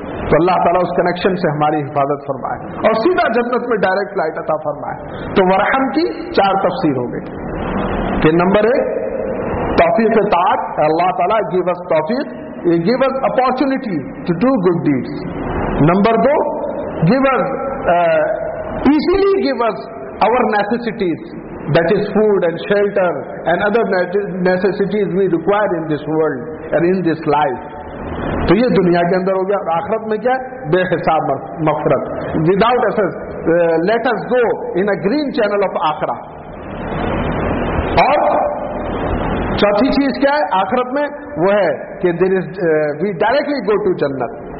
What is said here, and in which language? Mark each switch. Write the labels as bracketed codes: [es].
[ur] تو اللہ تعالیٰ اس کنیکشن سے ہماری حفاظت فرمائے اور سیدھا جنت میں ڈائریکٹ فلائٹ عطا فرمائے. تو ورحم کی چار تفسیر ہو گئی کہ نمبر ایک توفیق طاعت, اللہ تعالیٰ [en] give us [ur] توفیق, [en] give us opportunity to do good deeds. [ur] Number do [en] give us easily give us our necessities, that is food and shelter and other necessities we require in this world and in this life. [ur] تو یہ دنیا کے اندر ہو گیا, اور آخرت میں کیا ہے, بے حساب مغفرت. [en] Without essence, let us go in a green channel of آخرا. [ur] اور چوتھی چیز کیا ہے آخرت میں, وہ ہے کہ [en] we directly go to [ur] جنت.